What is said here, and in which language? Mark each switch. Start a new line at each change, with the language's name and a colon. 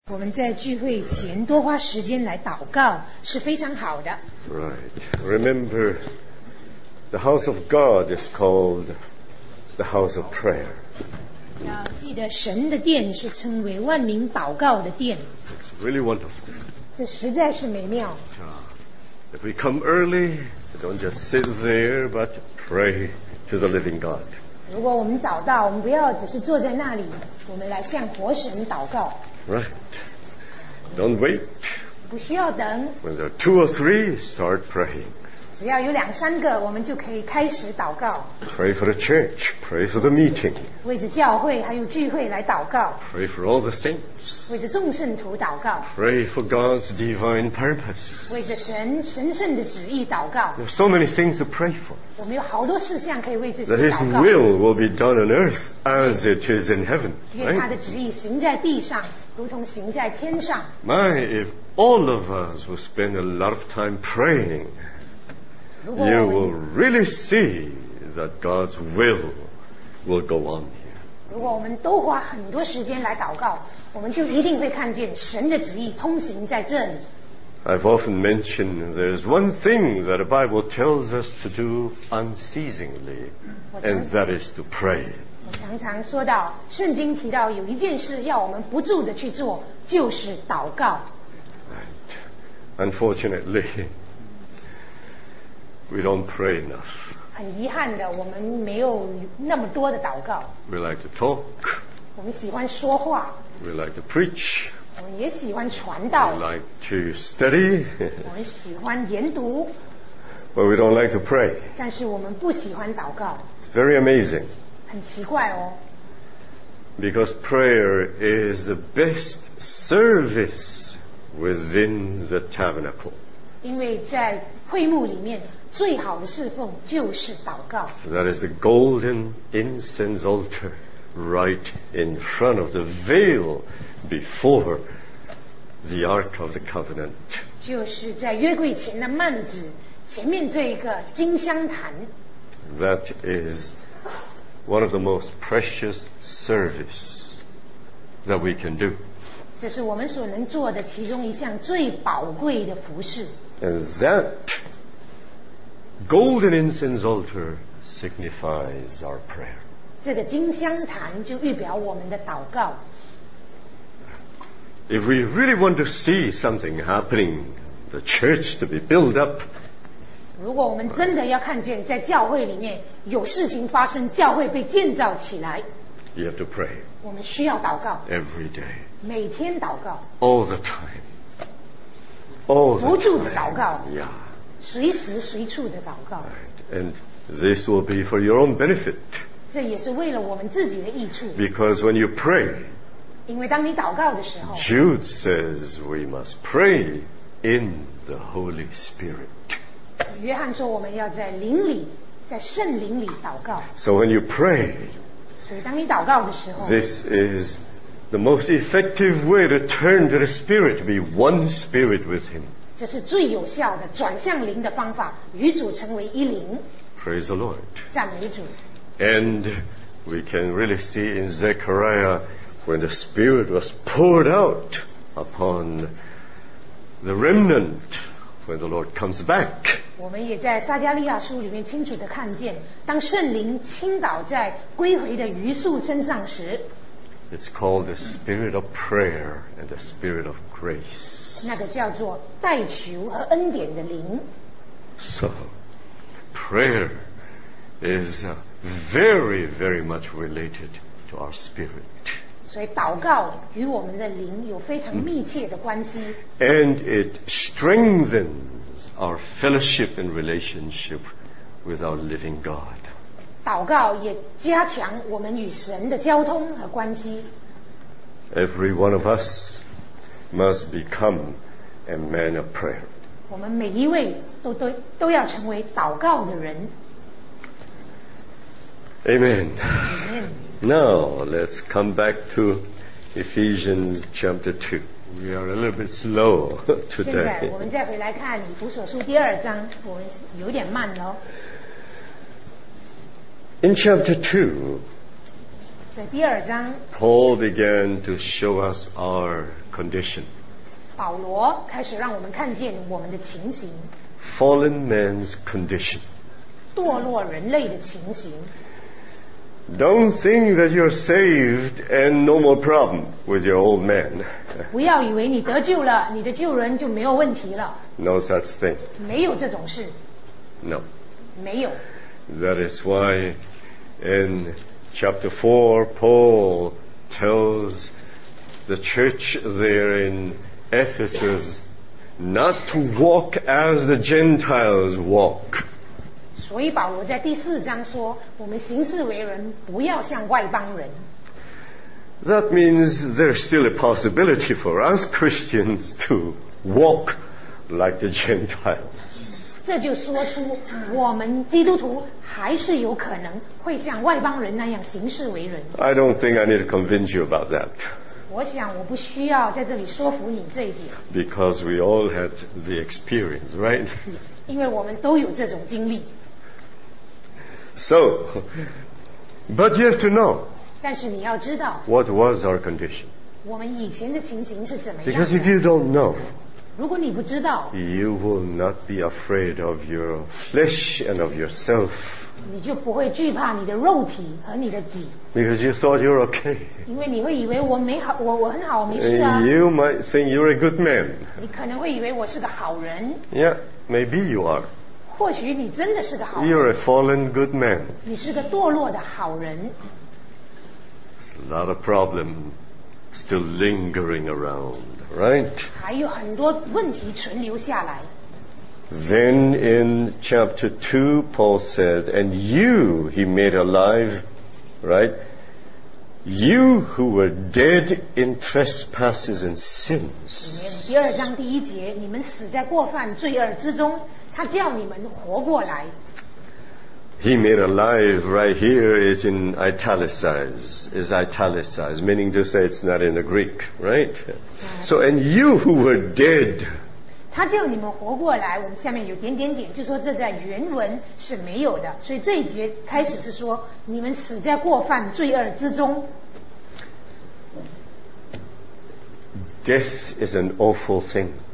Chinese: 我们在聚会前多花时间来祷告是非常好的。
English: Right. Remember, the house of God is called the house of prayer.
Chinese: 要记得神的殿是称为万民祷告的殿。
English: It's really wonderful.
Chinese: 这实在是美妙。
English: If we come early, we don't just sit there, but pray to the living God.
Chinese: 如果我们找到，我们不要只是坐在那里，我们来向活神祷告。
English: Right. Don't wait.
Chinese: 不需要等。
English: When there are two or three, start praying.
Chinese: 只要有两三个，我们就可以开始祷告。
English: Pray for the church. Pray for the meeting.
Chinese: 为着教会还有聚会来祷告。
English: Pray for all the saints.
Chinese: 为着众圣徒祷告。
English: Pray for God's divine purpose.
Chinese: 为着神圣的旨意祷告。
English: There are so many things to pray for.
Chinese: 我们有好多事项可以为自己祷告。
English: That His will be done on earth as it is in heaven.
Chinese: 愿他的旨意行在地上，如同行在天上。
English: My, if all of us will spend a lot of time praying, you will really see that God's will go on here.
Chinese: 如果我们都花很多时间来祷告，我们就一定会看见神的旨意通行在这里。
English: I've often mentioned there's one thing that the Bible tells us to do unceasingly, and that is to pray.
Chinese: 我常常说到，圣经提到有一件事要我们不住的去做，就是祷告。
English: Right. Unfortunately, we don't pray enough.
Chinese: 很遗憾的，我们没有那么多的祷告。
English: We like to talk.
Chinese: 我们喜欢说话。
English: We like to preach.
Chinese: 我们也喜欢传道。
English: We like to study.
Chinese: 我们喜欢研读。
English: But we don't like to pray.
Chinese: 但是我们不喜欢祷告。
English: It's very amazing.
Chinese: 很奇怪哦。
English: Because prayer is the best service within the tabernacle.
Chinese: 因为在会幕里面最好的侍奉就是祷告。
English: That is the golden incense altar. Right in front of the veil before the Ark of the Covenant.
Chinese: 就是在约柜前的幔子前面这一个金香坛。
English: That is one of the most precious service that we can do.
Chinese: 这是我们所能做的其中一项最宝贵的服事。
English: And that golden incense altar signifies our prayer.
Chinese: 这个金香坛就预表我们的祷告。
English: If we really want to see something happening, the church to be built up,
Chinese: 如果我们真的要看见在教会里面有事情发生，教会被建造起来，
English: you have to pray.
Chinese: 我们需要祷告。
English: Every day.
Chinese: 每天祷告。
English: All the time. All the time.
Chinese: 不住的祷告。
English: Yeah.
Chinese: 随时随处的祷告。
English: Right. And this will be for your own benefit.
Chinese: 这也是为了我们自己的益处。
English: Because when you pray,
Chinese: 因为当你祷告的时候，
English: Jude says we must pray in the Holy Spirit.
Chinese: 约翰说我们要在灵里，在圣灵里祷告。
English: So when you pray,
Chinese: 所以当你祷告的时候，
English: This is the most effective way to turn to the Spirit, to be one spirit with Him.
Chinese: 这是最有效的转向灵的方法，与主成为一灵。
English: Praise the Lord.
Chinese: 赞美主。
English: And we can really see in Zechariah when the Spirit was poured out upon the remnant when the Lord comes back.
Chinese: 我们也在撒加利亚书里面清楚地看见，当圣灵倾倒在归回的余数身上时。
English: It's called the Spirit of Prayer and the Spirit of Grace.
Chinese: 那个叫做代求和恩典的灵。
English: So, prayer. Is very, very much related to our spirit.
Chinese: 所以祷告与我们的灵有非常密切的关系。
English: And it strengthens our fellowship and relationship with our living God.
Chinese: 祷告也加强我们与神的交通和关系。
English: Every one of us must become a man of prayer.
Chinese: 我们每一位都要成为祷告的人。
English: Amen. Amen. Now, let's come back to Ephesians chapter 2. We are a little bit slow today.
Chinese: 现在我们再回来看以弗所书第二章，我们有点慢了。
English: In chapter 2,
Chinese: 在第二章
English: Paul began to show us our condition.
Chinese: 保罗开始让我们看见我们的情形
English: Fallen man's condition.
Chinese: 堕落人类的情形
English: Don't think that you're saved and no more problem with your old man.
Chinese: 不要以为你得救了，你的旧人就没有问题了。
English: No such thing.
Chinese: 没有这种事。
English: No.
Chinese: 没有。
English: That is why in chapter 4, Paul tells the church there in Ephesus not to walk as the Gentiles walk.
Chinese: 所以保罗在第四章说，我们行事为人不要像外邦人。
English: That means there's still a possibility for us Christians to walk like the Gentiles.
Chinese: 这就说出我们基督徒还是有可能会像外邦人那样行事为人。
English: I don't think I need to convince you about that.
Chinese: 我想我不需要在这里说服你这一点。
English: Because we all had the experience, right?
Chinese: 因为我们都有这种经历。
English: So, but you have to know.
Chinese: 但是你要知道。
English: What was our condition?
Chinese: 我们以前的情形是怎么样的。
English: Because if you don't know.
Chinese: 如果你不知道
English: You will not be afraid of your flesh and of yourself.
Chinese: 你就不会惧怕你的肉体和你的己
English: Because you thought you're okay.
Chinese: 因为你会以为我没好，我很好，我没事啊。
English: You might think you're a good man.
Chinese: 你可能会以为我是个好人。
English: Yeah, maybe you are.
Chinese: 或许你真的是个好人。
English: You're a fallen good man.
Chinese: 你是个堕落的好人。
English: It's a lot of problem. Still lingering around, right?
Chinese: 还有很多问题存留下来。
English: Then in chapter 2, Paul said, and you, he made alive, right? You who were dead in trespasses and sins.
Chinese: 第二章第一节，你们死在过犯罪恶之中，他叫你们活过来。
English: He made alive right here is in italicized, is italicized, meaning to say it's not in the Greek, right? So, and you who were dead.
Chinese: 他叫你们活过来，我们下面有点点点，就说这在原文是没有的，所以这一节开始是说你们死在过犯罪恶之中。
English: Death is an awful thing.